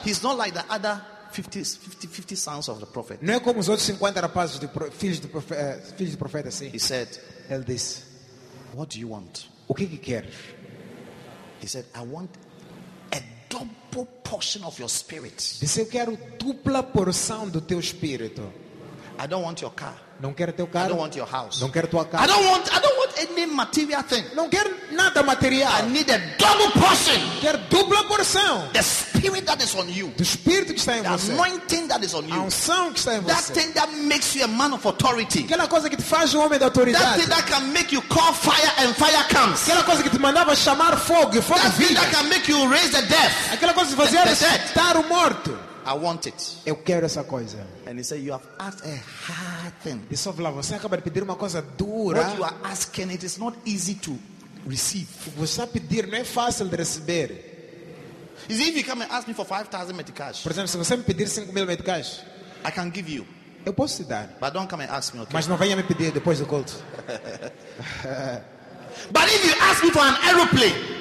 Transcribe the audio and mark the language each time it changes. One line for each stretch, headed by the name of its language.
English: he's not like the other 50 sons of the prophet.
Portuguese: Não é como os outros 50 rapazes de filhos do profeta, sim.
English: He said,
Portuguese: ele disse,
English: "What do you want?"
Portuguese: O que que quer?
English: He said, "I want a double portion of your spirit."
Portuguese: Disse, eu quero dupla porção do teu espírito.
English: I don't want your car.
Portuguese: Não quero teu carro.
English: I don't want your house.
Portuguese: Não quero tua casa.
English: I don't want any material thing.
Portuguese: Não quero nada material.
English: I need a double portion.
Portuguese: Quero dupla porção.
English: The spirit that is on you.
Portuguese: Do espírito que está em
English: the
Portuguese: você.
English: The anointing that is on you.
Portuguese: A unção que está em
English: that
Portuguese: você.
English: That thing that makes you a man of authority.
Portuguese: Aquela coisa que te faz um homem de autoridade.
English: That thing that can make you call fire and fire comes.
Portuguese: Aquela coisa que te mandava chamar fogo e fogo
English: that
Portuguese: vira.
English: That thing that can make you raise the death.
Portuguese: Aquela coisa que fazia ressuscitar o morto.
English: I want it.
Portuguese: Eu quero essa coisa.
English: And he said, "You have asked a hard thing."
Portuguese: E só falava, você acaba de pedir uma coisa dura.
English: What you are asking, it is not easy to receive.
Portuguese: Você está a pedir, não é fácil de receber.
English: Is if you come and ask me for 5,000 meticais.
Portuguese: Por exemplo, se você me pedir 5,000 meticais,
English: I can give you.
Portuguese: Eu posso te dar.
English: But don't come and ask me. Okay?
Portuguese: Mas não venha me pedir depois do culto.
English: But if you ask me for an aeroplane,